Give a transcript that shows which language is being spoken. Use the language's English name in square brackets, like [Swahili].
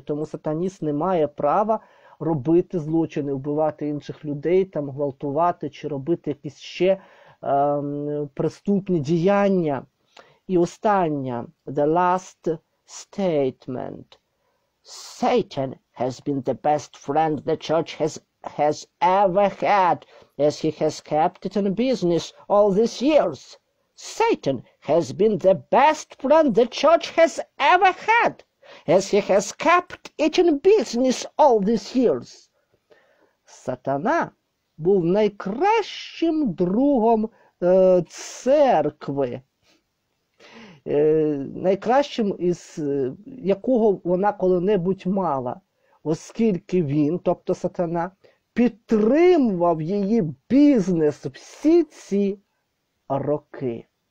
[Ukrainian] Тому сатаніст не має права робити злочини, вбивати інших людей, там, гвалтувати чи робити якісь ще преступні діяння. І останнє, [English] the last statement. Satan has been the best friend the church has ever had, as he has kept it in business all these years. Satan has been the best friend the church has ever had, as he has kept it in business all these years. [Ukrainian] Сатана був найкращим другом церкви, найкращим із якого вона коли-небудь мала, оскільки він, тобто Сатана, підтримував її бізнес всі ці роки.